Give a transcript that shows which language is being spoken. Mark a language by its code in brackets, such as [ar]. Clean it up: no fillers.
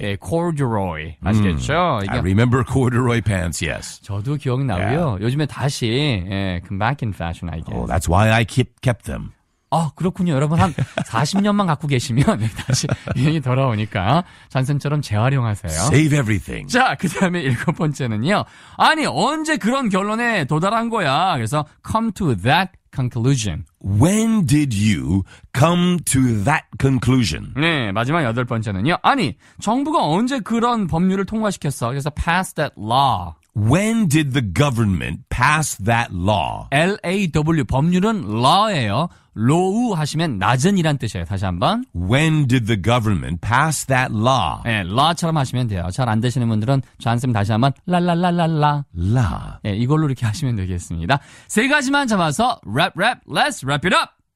[ko] 네, corduroy 아시겠죠? [en] I remember corduroy pants. Yes. [ko] 저도 기억나고요. Yeah. 요즘에 다시 예, [en] come back in fashion, I guess. Oh, that's why I kept them. [ko] 아, 그렇군요. 여러분, 한 40년만 갖고 계시면 다시 유행이 돌아오니까 잔센처럼 재활용하세요. [en] Save everything. [ko] 자, 그 다음에 일곱 번째는요. 아니, 언제 그런 결론에 도달한 거야? [en] 그래서 come to that conclusion. When did you come to that conclusion? [ko] 네, 마지막 여덟 번째는요. 아니, 정부가 언제 그런 법률을 통과시켰어? 그래서 [en] pass that law. When did the government pass that law? [ko] L-A-W, 법률은 law예요. low 하시면 낮은이란 뜻이에요. 다시 한번. [en] When did the government pass that law? [ko] 예, law처럼 하시면 돼요. 잘 안 되시는 분들은 저한테 다시 한번 랄랄랄랄라. [en] law. [ko] 예, 이걸로 이렇게 하시면 되겠습니다. 세 가지만 잡아서 랩 랩, [en] let's wrap it up!